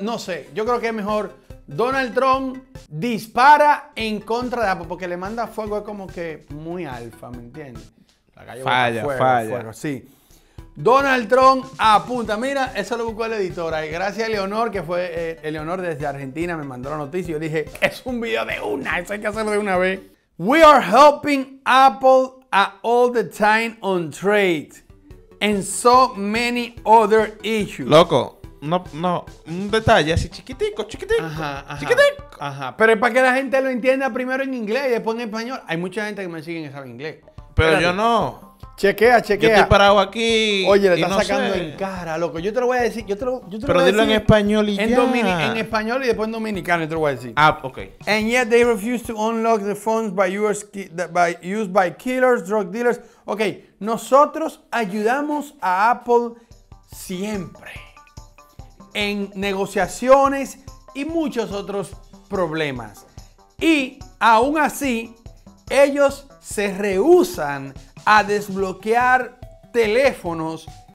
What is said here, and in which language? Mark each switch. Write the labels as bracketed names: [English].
[Spanish] No sé, yo creo que es mejor. Donald Trump dispara en contra de Apple, porque le manda fuego, es como que muy alfa, ¿me entiendes? Falla, fuego. Sí. Donald Trump apunta. Mira, eso lo buscó el editor. Ahí. Gracias a Eleonor, que fue Eleonor desde Argentina, me mandó la noticia. Yo dije, es un video de una, eso hay que hacerlo de una vez. [English] We are helping Apple all the time on trade and so many other issues. [Spanish] Loco. No, no, un detalle así chiquitico. Ajá. Pero es para que la gente lo entienda primero en inglés y después en español. Hay mucha gente que me sigue y sabe inglés. Pero espérate. Yo no. Chequea. Yo estoy parado aquí. Oye, le estás sacando en cara, loco. Yo te lo voy a decir. Yo te lo voy a decir. Pero dilo en español y en ya. En español y después en dominicano, yo te lo voy a decir. Ah, ok. [English] And yet they refuse to unlock the phones used by killers, drug dealers. [Spanish] Ok, nosotros ayudamos a Apple siempre. En negociaciones y muchos otros problemas. Y aún así, ellos se rehúsan a desbloquear teléfonos.